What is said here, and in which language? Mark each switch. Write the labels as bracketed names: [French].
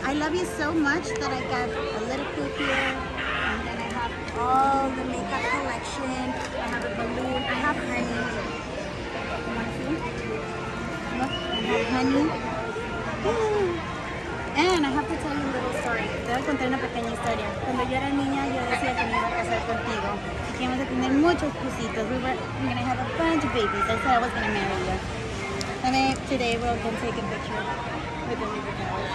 [English] I love you so much that I got a little poop here. All the makeup collection. I have a balloon. I have honey. You want to see? Look, I have honey. Yeah. And I have to tell you a little story. [Spanish] Te voy a contar una pequeña historia. Cuando yo era niña, yo decía que me iba a casar contigo. Y que íbamos a tener muchos cositos. [English] We're going to have a bunch of babies. I said I was going to marry you. And then today we're going to take a picture with the baby girl.